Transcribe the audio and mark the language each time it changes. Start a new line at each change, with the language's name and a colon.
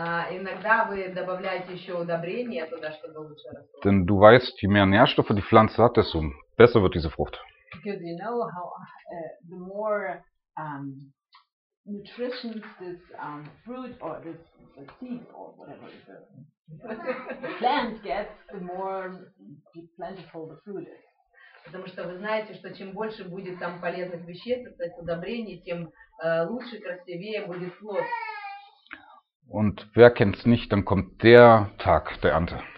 Russian: Иногда вы добавляете еще удобрение туда, чтобы лучше росло.
German: Denn du weißt, je mehr Nährstoffe die Pflanze hat, desto besser wird diese Frucht.
English: Because you know how the more nutrition this fruit or this seed or whatever it is, the plant gets, the more plentiful the fruit is.
Russian: Потому что вы знаете, что чем больше будет там полезных веществ, то есть удобрений, тем лучше, красивее будет плод.
German: Und wer kennt's nicht, dann kommt der Tag der Ernte.